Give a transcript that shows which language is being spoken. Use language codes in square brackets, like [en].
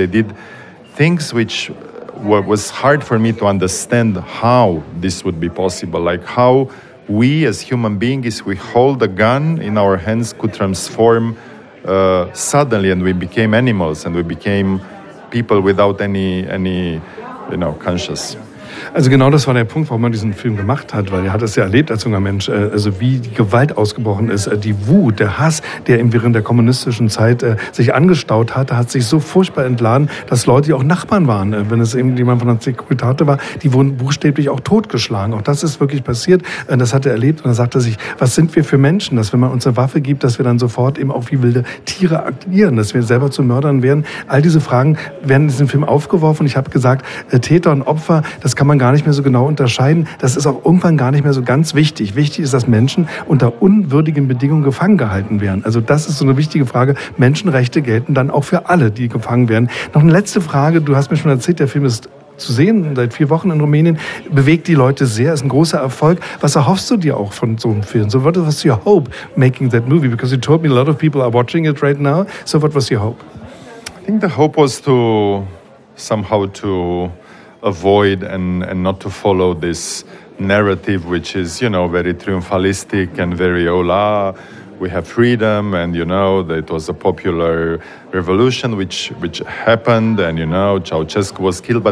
[en] They did things which was hard for me to understand how this would be possible, like how we as human beings, we hold a gun in our hands, could transform suddenly and we became animals and we became people without any, you know, conscious. [de] Also genau das war der Punkt, warum man diesen Film gemacht hat, weil er hat es ja erlebt als junger Mensch, also wie die Gewalt ausgebrochen ist, die Wut, der Hass, der eben während der kommunistischen Zeit sich angestaut hatte, hat sich so furchtbar entladen, dass Leute, die auch Nachbarn waren, wenn es eben jemand von der Securitate war, die wurden buchstäblich auch totgeschlagen. Auch das ist wirklich passiert, das hat er erlebt und er sagte sich, was sind wir für Menschen, dass wenn man uns eine Waffe gibt, dass wir dann sofort eben auch wie wilde Tiere agieren, dass wir selber zu Mördern werden. All diese Fragen werden in diesem Film aufgeworfen. Ich habe gesagt, Täter und Opfer, das kann man gar nicht mehr so genau unterscheiden. Das ist auch irgendwann gar nicht mehr so ganz wichtig. Wichtig ist, dass Menschen unter unwürdigen Bedingungen gefangen gehalten werden. Also das ist so eine wichtige Frage. Menschenrechte gelten dann auch für alle, die gefangen werden. Noch eine letzte Frage. Du hast mir schon erzählt, der Film ist zu sehen seit 4 Wochen in Rumänien. Bewegt die Leute sehr, ist ein großer Erfolg. Was erhoffst du dir auch von so einem Film? [en] So what was your hope making that movie? Because you told me a lot of people are watching it right now. So what was your hope? I think the hope was to somehow to avoid and not to follow this narrative, which is, you know, very triumphalistic and very, hola, we have freedom, and, you know, it was a popular revolution which happened, and, you know, Ceausescu was killed.